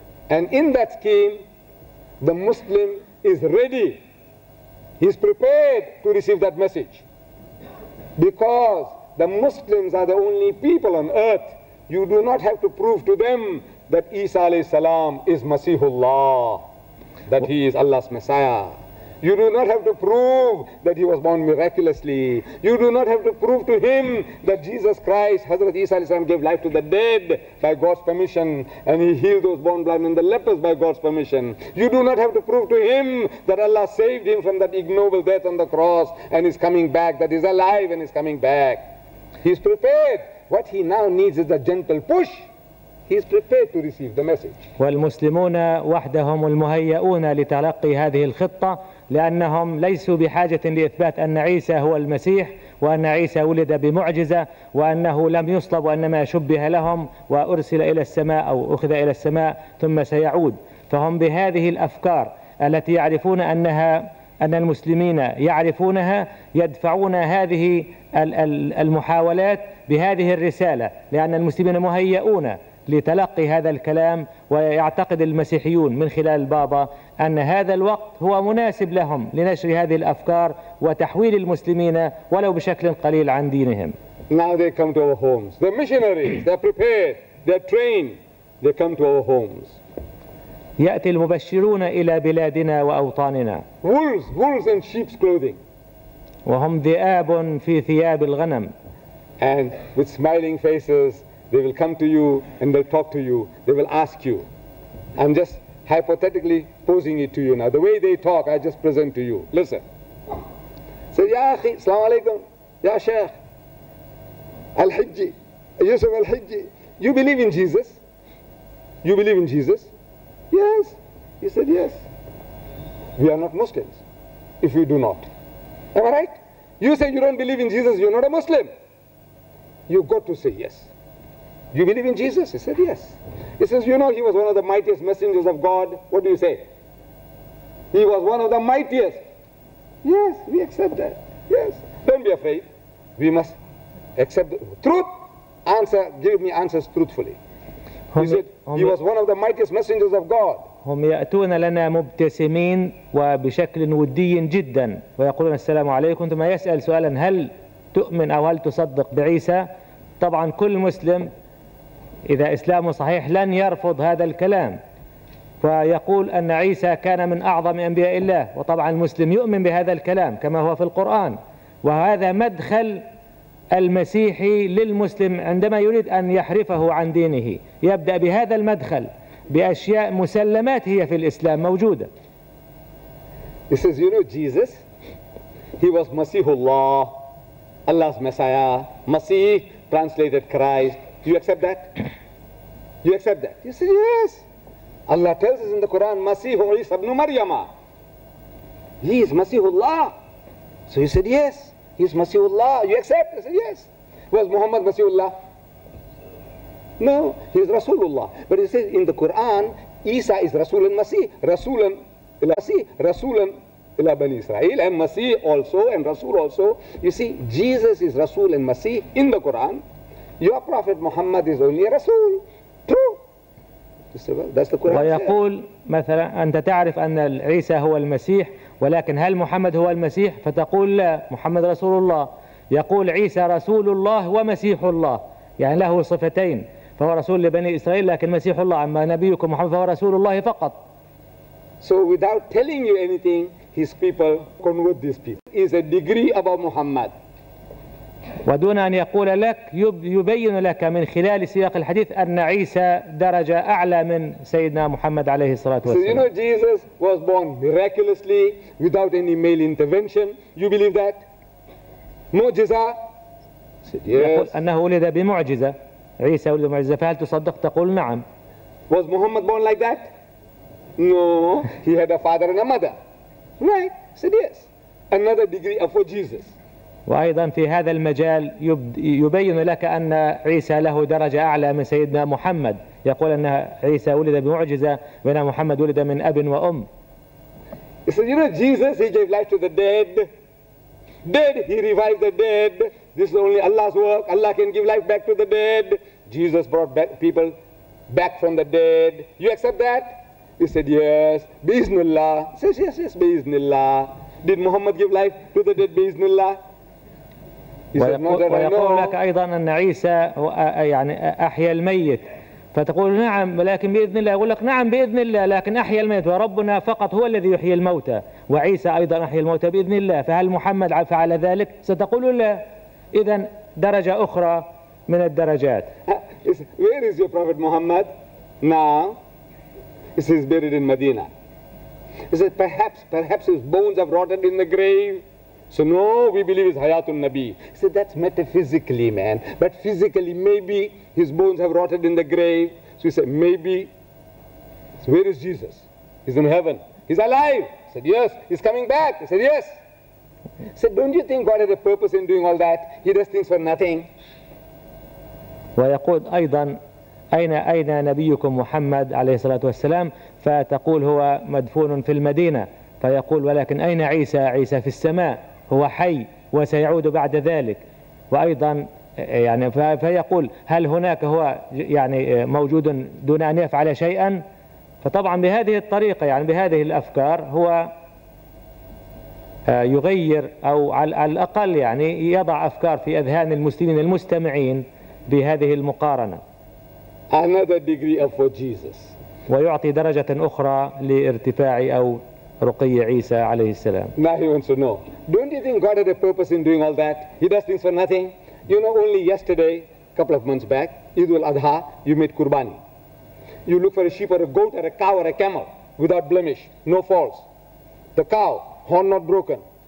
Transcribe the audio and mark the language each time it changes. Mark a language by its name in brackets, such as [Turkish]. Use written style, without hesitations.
[English] And in that scheme, the Muslim is ready. He's prepared to receive that message. Because the Muslims are the only people on earth. You do not have to prove to them that Isa alayhi salam is Masihullah, that he is Allah's Messiah. You do not have to prove that he was born miraculously. You do not have to prove to him that Jesus Christ, Hazrat Isa alayhi salam, gave life to the dead by God's permission, and he healed those born blind and the lepers by God's permission. You do not have to prove to him that Allah saved him from that ignoble death on the cross and is coming back, that he's alive and is coming back. He's prepared. What he now needs is a gentle push. He's prepared to receive the message. [Arabic] والمسلمون وحدهم المهيئون لتلقي هذه الخطة، لأنهم ليسوا بحاجة لإثبات أن عيسى هو المسيح، وأن عيسى ولد بمعجزة، وأنه لم يصلب وأنما شبه لهم وأرسل إلى السماء أو أخذ إلى السماء ثم سيعود. فهم بهذه الأفكار التي يعرفون أنها أن المسلمين يعرفونها يدفعون هذه المحاولات بهذه الرسالة، لأن المسلمين مهيئون لتلقي هذا الكلام، ويعتقد المسيحيون من خلال البابا أن هذا الوقت هو مناسب لهم لنشر هذه الأفكار وتحويل المسلمين ولو بشكل قليل عن دينهم. [English] Now they come to our homes. The missionaries, they're prepared, they're trained, they come to our homes. [Arabic] يأتي المبشرون إلى بلادنا وأوطاننا. [English] Wolves, wolves in sheep's clothing. [Arabic] وهم ذئاب في ثياب الغنم. [English] And with smiling faces, they will come to you and they'll talk to you. They will ask you. I'm just hypothetically posing it to you now. The way they talk, I just present to you. Listen. [Arabic] سيد يا أخي السلام عليكم يا شيخ الحجي يوسف الحجي [English] you believe in Jesus you believe in Jesus yes he said yes we are not Muslims if we do not am I right you say you don't believe in Jesus you're not a Muslim you got to say yes you believe in Jesus he said yes he says you know he was one of the mightiest messengers of God what do you say he was one of the mightiest yes we accept that yes don't be afraid we must accept the truth answer give me answers truthfully he said he was one of the mightiest messengers of God [Arabic] هم يأتون لنا مبتسمين وبشكل ودي جدا ويقولون السلام عليكم ثم يسأل سؤالا هل تؤمن أو هل تصدق بعيسى طبعا كل مسلم إذا إسلامه صحيح لن يرفض هذا الكلام فيقول أن عيسى كان من أعظم أنبياء الله وطبعا المسلم يؤمن بهذا الكلام كما هو في القرآن وهذا مدخل المسيحي للمسلم عندما يريد أن يحرفه عن دينه يبدأ بهذا المدخل بأشياء مسلمات هي في الإسلام موجودة. [English] He says, you know Jesus, he was Masihullah, Allah's Messiah, Masih translated Christ. Do you accept that? You accept that? He says, yes. Allah tells us in the Quran, [Arabic] Masihu Isa ibn Maryama. [English] He is Masihullah. So he said, yes. He is Masihullah. You accept? He said, yes. Was Muhammad Masihullah? No, he is Rasulullah. But he says in the Quran, Isa is Rasul and Masih. Rasul and Masih. Rasul and Ila Bani Israel. And Masih also. And Rasul also. You see, Jesus is Rasul and Masih in the Quran. Your Prophet Muhammad is only a Rasul. True. You see, well, that's the Quran. [Arabic] ويقول مثلا أنت تعرف أن عيسى هو المسيح ولكن هل محمد هو المسيح؟ فتقول لا محمد رسول الله. يقول عيسى رسول الله ومسيح الله. يعني له صفتين فهو رسول لبني إسرائيل لكن مسيح الله أما نبيكم محمد فهو رسول الله فقط [English] So without telling you anything his people convert these people is a degree about Muhammad [Arabic] ودون أن يقول لك يبين لك من خلال سياق الحديث أن عيسى درجة أعلى من سيدنا محمد عليه الصلاة والسلام [English] So you know Jesus was born miraculously without any male intervention you believe that معجزة [Arabic] يقول أنه ولد بمعجزة عيسى ولد بمعجزة فهل تصدق تقول نعم [English] Was Muhammad born like that? No He had a father and a mother Right He said yes Another degree for Jesus [Arabic] وأيضا في هذا المجال يبين لك أن عيسى له درجة أعلى من سيدنا محمد يقول أن عيسى ولد بمعجزة وأن محمد ولد من أب وأم [English] He said you know Jesus he gave life to the dead Dead he revived the dead This is only Allah's work. Allah can give life back to the dead. Jesus brought back people back from the dead. You accept that? He said, yes. Bismillah. He says, yes, yes, Bismillah. Did Muhammad give life to the dead? Bismillah. He said, no, that I know. [Arabic] ويقول لك أيضا أن عيسى يعني أحيى الميت. فتقول نعم ولكن بإذن الله يقول لك نعم بإذن الله لكن أحيى الميت وربنا فقط هو الذي يحيي الموتى وعيسى أيضا أحيى الموتى بإذن الله فهل محمد فعل ذلك ستقول لا إذا درجة أخرى من الدرجات. [English] Where is your Prophet Muhammad now? He says buried in Medina. He says perhaps his bones have rotted in the grave. So no, we believe it's Hayatul Nabi. He said that's metaphysically, man. But physically, maybe his bones have rotted in the grave. So he said maybe. So where is Jesus? He's in heaven. He's alive. He said yes. He's coming back. He said yes. So don't you think God had a purpose in doing all that? He does things for nothing. [Arabic] ويقول أيضا أين نبيكم محمد عليه الصلاة والسلام؟ فتقول هو مدفون في المدينة. فيقول ولكن أين عيسى؟ عيسى في السماء. هو حي وسيعود بعد ذلك. وأيضا يعني فيقول هل هناك هو يعني موجود دون أن يفعل شيئا؟ فطبعا بهذه الطريقة يعني بهذه الأفكار هو يغير أو على الأقل يعني يضع أفكار في أذهان المسلمين المستمعين بهذه المقارنة. [English] Another degree of for Jesus. [Arabic] ويعطي درجة أخرى لارتفاع أو رقي عيسى عليه السلام. [English] Now he wants to know. Don't you think God had a purpose in doing all that? He does things for nothing. You know, only yesterday, couple of months back, Eid al-Adha, you made Qurbani. You look for a sheep or a goat or a cow or a camel without blemish, no faults. The cow. Horn not broken,